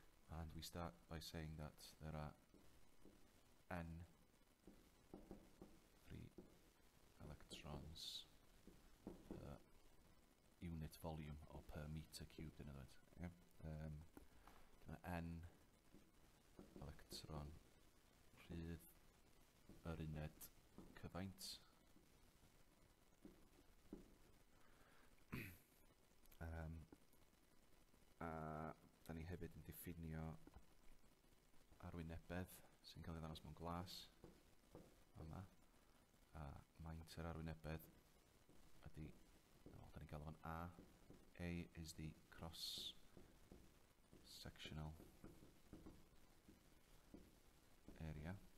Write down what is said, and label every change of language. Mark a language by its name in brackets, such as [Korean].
[English] And we start by saying that there are n free electrons per unit volume, or per meter cubed, in other words. [Welsh] N electron rhydd yr uned cyfaint. A da ni hefyd yn diffinio arwynebedd sy'n cael ei ddangos mewn glas yma, a maint yr arwynebedd ydy, da ni'n galw'n A. [English] A is the cross sectional area.